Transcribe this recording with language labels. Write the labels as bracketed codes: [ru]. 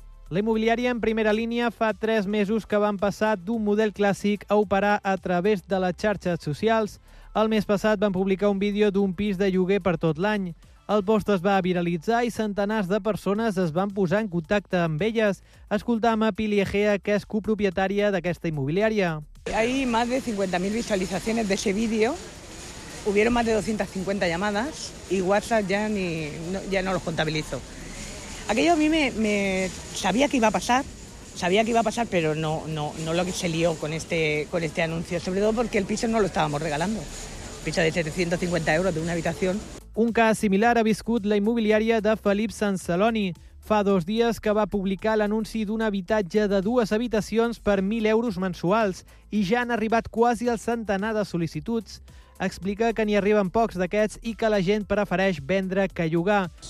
[ca] La immobiliària en primera línia fa 3 mesos que van passar d'un model clàssic a operar a través de les xarxes socials. El mes passat van publicar un vídeo d'un pis de lloguer per tot l'any. El post es va viralitzar i centenars de persones es van posar en contacte amb elles. Escoltam a Pili Egea, que és copropietària d'aquesta immobiliària. [es] Hay más de 50.000 visualizaciones de ese vídeo. Hubieron más de 250 llamadas y WhatsApp ya no los contabilizo. Aquello a mí me sabía que iba a pasar. Sabía que iba a pasar, pero no lo que se lió con este anuncio, sobre todo porque el piso no lo estábamos regalando. Piso de 750 euros de una habitación. [ca] Un cas similar ha viscut la immobiliària de Felip Sansaloni. Fa 2 dies que va publicar l'anunci d'un habitatge de 2 habitacions per 1.000 euros mensuals i ja han arribat quasi al centenar de sol·licituds. Explica que n'hi arriben pocs d'aquests i que la gent prefereix vendre que llogar.